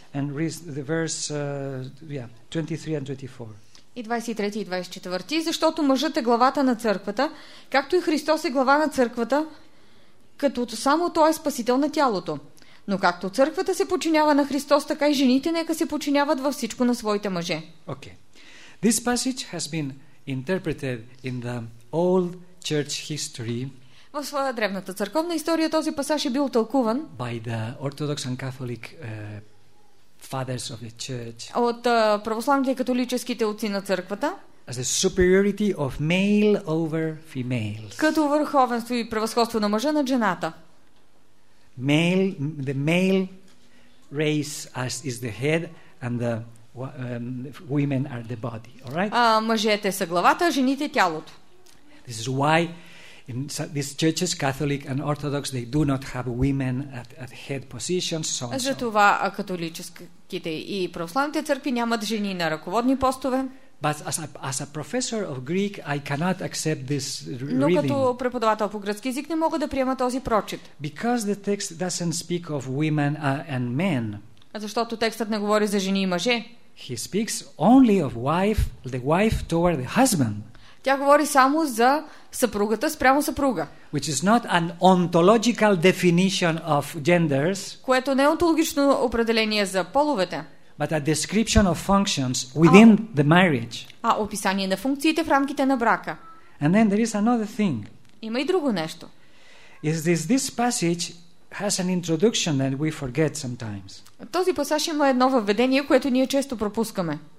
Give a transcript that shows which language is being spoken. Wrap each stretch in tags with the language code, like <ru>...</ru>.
<en>And the verse, 23 and 24.</en> <bg>И 23 и 24. Защото мъжът е главата на църквата, както и Христос е глава на църквата, като само Той е спасител на тялото. Но както църквата се подчинява на Христос, така и жените нека се подчиняват във всичко на своите мъже.</bg> <en>Okay. This passage has been interpreted in the old church history.</en> <bg>В своя древната църковна история този пасаж е бил тълкуван</bg> <en>by the Orthodox and Catholic fathers of the church.</en> <bg>От православните и католическите отци на църквата.</bg> <en>As the superiority of male over females.</en> <bg>Като върховенство и превъзходство на мъжа над жената.</bg> <en>The male race as is the head and the women are the body, all right?</en> <bg>Мъжете са главата, жените тялото.</bg> <en>This is why in these churches, Catholic and Orthodox, they do not have women at head positions. So</en> <bg>за това католическите и православните църкви нямат жени на ръководни постове.</bg> <en>But as a professor of Greek, I cannot accept this reading.</en> <bg>Но като преподавател по гръцки език не мога да приема този прочит.</bg> <en>Because the text doesn't speak of women and men.</en> <bg>Защото текстът не говори за жени и мъже.</bg> <en>He speaks only of the wife toward the husband.</en> <bg>Тя говори само за съпругата спрямо съпруга.</bg> <en>Which is not an ontological definition of genders.</en> <bg>Което не е онтологично определение за половете.</bg> <en>But a description of functions within the marriage.</en> <bg>А описание на функциите в рамките на брака.</bg> <en>And then there is another thing.</en> <bg>Има и друго нещо.</bg> <en>Is this passage has an introduction that we forget sometimes.</en> <bg>Този пасаж има едно въведение, което ние често пропускаме.</bg>